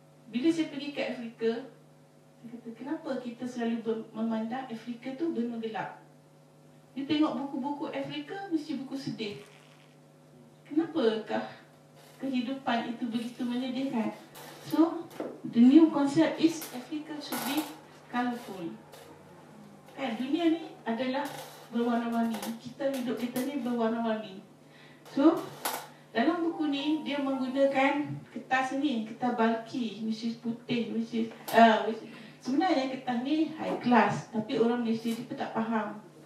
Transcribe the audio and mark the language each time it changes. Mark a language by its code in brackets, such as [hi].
[ms] bila saya pergi ke Afrika, saya kata, kenapa kita selalu memandang Afrika tu benda gelap? Dia tengok buku-buku Afrika, mesti buku sedih. Kenapakah kehidupan itu begitu menyedihkan? [en] So, the new concept is Africa should be colourful. [ms] Kan, dunia ni adalah berwarna-warni. Kita hidup kita ni berwarna-warni. So, dalam buku ni, dia menggunakan kertas ni, kertas bulky, [en] which is [ms] putih, which is... sebenarnya kertas ni [en] high class, [ms] tapi orang Malaysia ni pun tak faham.